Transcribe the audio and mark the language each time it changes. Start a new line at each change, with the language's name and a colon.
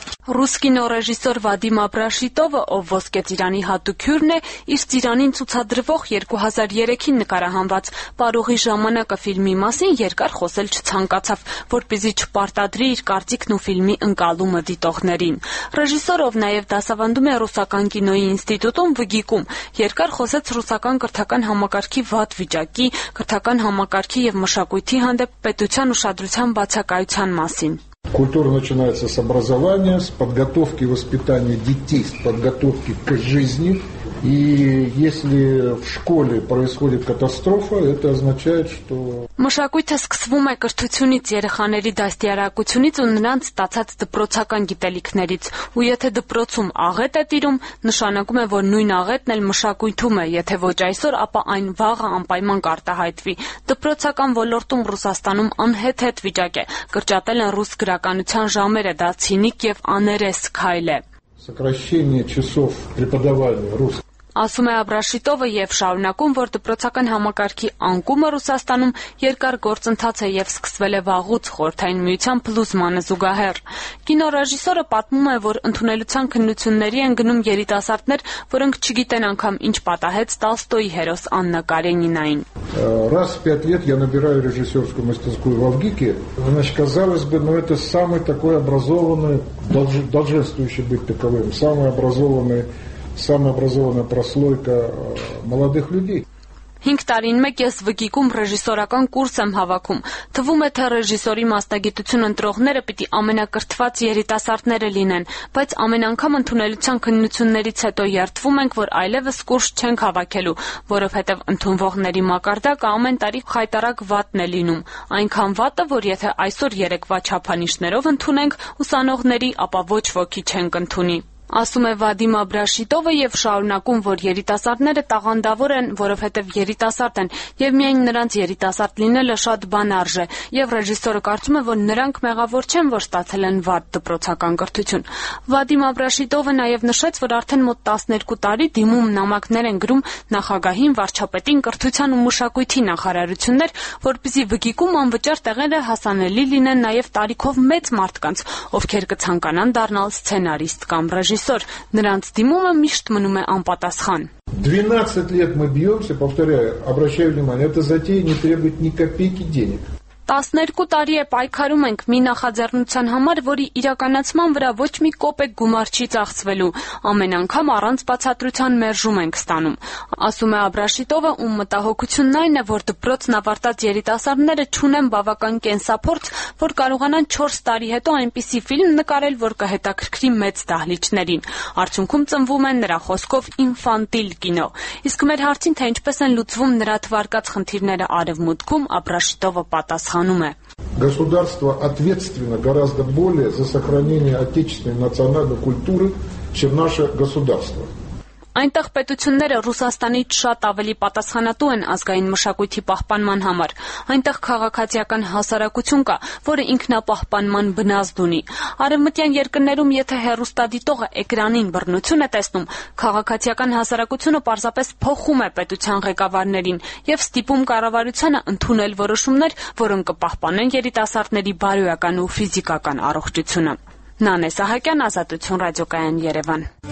Armenian: Ռուս կինոռեժիսոր Վադիմ Աբրաշիտովը, ով Ոսկե ծիրանի հատուկյուրն է, իր ծիրանին ցուցադրվող 2003-ին նկարահանված «Պարուղի ժամանակը» ֆիլմի մասին երկար խոսել չցանկացավ, որպեսզի չպարտադրի իր կարծիքն ու ֆիլմի ընկալումը դիտողներին։ Ռեժիսորը, ով նաև դասավանդում է ռուսական կինոյի ինստիտուտում ՎԳԿ-ում, երկար խոսեց ռուսական կրթական համակարգի վատ վիճակի, կրթական համակարգի և մշակույթի հանդեպ պետության ուշադրության բացակայության մասին։
Russian: Культура начинается с образования, с подготовки и воспитания детей, с подготовки к жизни. И если в школе происходит катастрофа, это означает, что...
Armenian: Մշակույթը սկսվում է կրթությունից, երեխաների դաստիարակությունից ու նրանց ստացած դպրոցական գիտելիքներից, ու եթե դպրոցում աղետ է տիրում, նշանակում է, որ նույն աղետն էլ մշակույթում է, եթե ոչ այսօր, ապա այն վաղը անպայման կարտահայտվի։ Դպրոցական ոլորտում Ռուսաստանում անհեթեթ վիճակ է, կրճատել են ռուս գրականության ժամերը, դա ցինիկ և աներես քայլ է։
Russian: Сокращение часов преподавания русского.
Armenian: Ասում է Աբրաշիտովը եւ շարունակում, որ դպրոցական համակարգի անկումը Ռուսաստանում երկար գործընթաց է եւ սկսվել է վաղուց խորթային միության փլուզմանը զուգահեռ։ Կինոռեժիսորը պատմում է, որ ընդունելության քննությունների են գնում երիտասարդներ, որոնք չգիտեն անգամ ինչ պատահեց Տոլստոյի հերոս Աննա Կարենինային։
Russian: Раз в 5 лет я набираю режиссёрскую мастерскую в ВГИКе. Значит, казалось бы, но это самый такой образованный, долженствующий быть таковым, самый образованный самообразованная прослойка молодых людей.
Armenian: 5 տարին մեկ ես ՎԳԿ-ում ռեժիսորական կուրս եմ հավաքում։ Թվում է, թե ռեժիսորի մասնագիտություն ընտրողները պիտի ամենակրթված երիտասարդները լինեն, բայց ամեն անգամ ընդունելության քննություններից հետո երթվում ենք, որ այլևս կուրս չենք հավաքելու, որովհետև ընդունվողների մակարդակը ամեն տարի խայտարակ վատն է լինում, այնքան վատը, որ եթե այսօր երեքվա չափանիշներով ընդունենք ուսանողների, ապա ոչ ոքի չենք ընդունի։ Ասում է Վադիմ Աբրաշիտովը եւ շարունակում, որ երիտասարդները տաղանդավոր են, որովհետեւ երիտասարդ են, եւ միայն նրանց երիտասարդ լինելը շատ բան արժե, եւ ռեժիսորը կարծում է, որ նրանք մեղավոր չեն, որ ստացել են վատ դպրոցական կրթություն։ Վադիմ Աբրաշիտովը նաեւ նշեց, որ արդեն մոտ 12 տարի դիմում նամակներ են գրում նախագահին, վարչապետին, կրթության ու մշակույթի նախարարություններ, որպեսզի ՎԳԿ-ում անվճար տեղերը հասանելի լինեն նաեւ տարիքով մեծ մարդկանց, ովքեր կցանկանան դառնալ սցենարիստ կամ Режиссер, նրանց դիմումը միշտ մնում է անպատասխան.
Russian: 12 лет мы бьемся, повторяю, обращаю внимание, эта затея не требует ни копейки денег.
Armenian: 12 տարի է պայքարում ենք մի նախաձեռնության համար, որի իրականացման վրա ոչ մի կոպեկ գումար չի ծախսվելու, ամեն անգամ առանց բացատրության մերժում ենք ստանում, ասում է Աբրաշիտովը, ում մտահոգությունն այն է, որ դպրոցն ավարտած երիտասարդները չունեն բավական կենսափորձ, որ կարողանան 4 տարի հետո այնպիսի ֆիլմ նկարել, որ կհետաքրքրի մեծ դահլիճներին, արդյունքում ծնվում են նրա խոսքով ինֆանտիլ կինո, իսկ մեր հարցին, թե ինչպես են լուծվում նրա թվարկած խնդիրները արևմուտքում, Աբրաշիտովը պատասխանում
Russian: Государство ответственно гораздо более за сохранение отечественной национальной культуры, чем наше государство.
Armenian: Այնտեղ պետությունները Ռուսաստանից շատ ավելի պատասխանատու են ազգային մշակույթի պահպանման համար։ Այնտեղ քաղաքացիական հասարակություն կա, որը ինքնապահպանման բնազդ ունի։ Արևմտյան երկրներում, եթե հեռուստադիտողը էկրանին բռնություն է տեսնում, քաղաքացիական հասարակությունը պարզապես փոխում է պետության ղեկավարներին և ստիպում կառավարությանը ընդունել որոշումներ, որոնք կպահպանեն երիտասարդների բարոյական ու ֆիզիկական առողջությունը։ Նանե Սահակյան, Ազատություն ռադիոկայան, Երևան։